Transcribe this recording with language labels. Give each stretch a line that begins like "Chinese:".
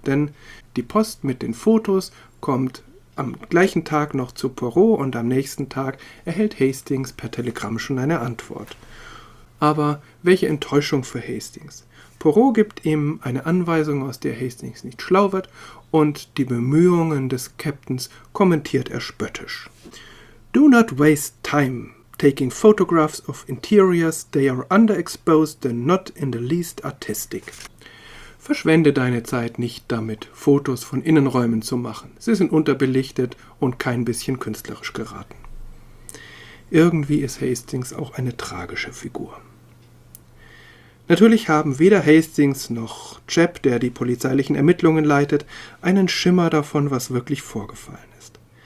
German: Denn die Post mit den Fotos kommt am gleichen Tag noch zu Poirot und am nächsten Tag erhält Hastings per Telegramm schon eine Antwort. Aber welche Enttäuschung für Hastings. Poirot gibt ihm eine Anweisung, aus der Hastings nicht schlau wird, und die Bemühungen des Captains kommentiert er spöttisch.
English: Do not waste time taking photographs of interiors, they are underexposed and not in the least artistic.
German: Verschwende deine Zeit nicht damit, Fotos von Innenräumen zu machen. Sie sind unterbelichtet und kein bisschen künstlerisch geraten. Irgendwie ist Hastings auch eine tragische Figur. Natürlich haben weder Hastings noch Chap, der die polizeilichen Ermittlungen leitet, einen Schimmer davon, was wirklich vorgefallen ist.